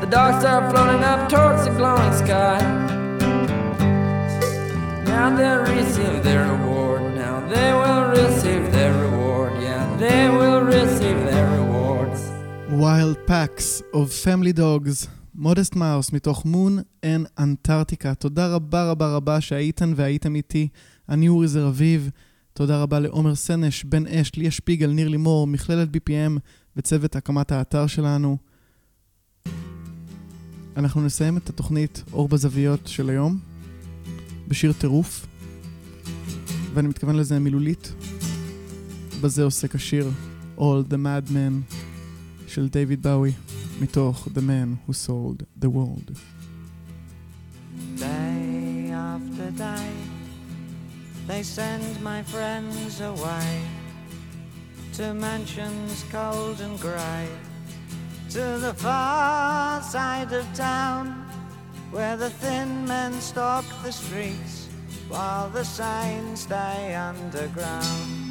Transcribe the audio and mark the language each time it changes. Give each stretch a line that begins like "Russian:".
English: The dogs start floating up towards the glowing sky. Now they'll receive their reward. Now they will receive their reward. Yeah, they will receive their rewards. Wild packs of family dogs.
Hebrew: מודסט מאוס מתוך מון אנד אנטארקטיקה. תודה רבה רבה רבה שהייתן והייתם איתי. אני אורי זר אביב. תודה רבה לעומר סנש, בן אש, ליה שפיגל, ניר לימור, מכללת BPM וצוות הקמת האתר שלנו. אנחנו נסיים את התוכנית אור בזוויות של היום בשיר טירוף, ואני מתכוון לזה מילולית. בזה עוסק השיר All the Madmen של דיוויד באווי, מתוך The Man Who Sold the World.
English: Day after day they send my friends away to mansions cold and grey, to the far side of town where the thin men stalk the streets while the signs stay underground.